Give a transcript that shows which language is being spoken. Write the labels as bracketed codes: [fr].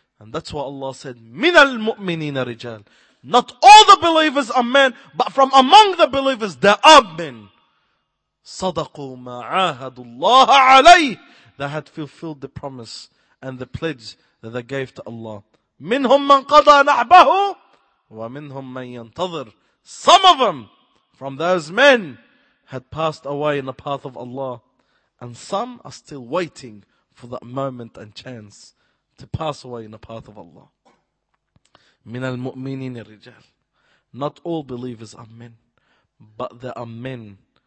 [en] And that's why Allah said, [ar] من المؤمنين رجال. [en] Not all the believers are men, but from among the believers, there are men. [ar] صدقوا ما عاهدوا الله عليه. [en] They had fulfilled the promise and the pledge that they gave to Allah. [ar] منهم من قضى نحبه ومنهم من ينتظر. [en] Some of them, from those men, had passed away in the path of Allah. And some are still waiting for that moment and chance to pass away in the path of Allah. [ar] من المؤمنين الرجال. [en] Not all believers are men, but there are men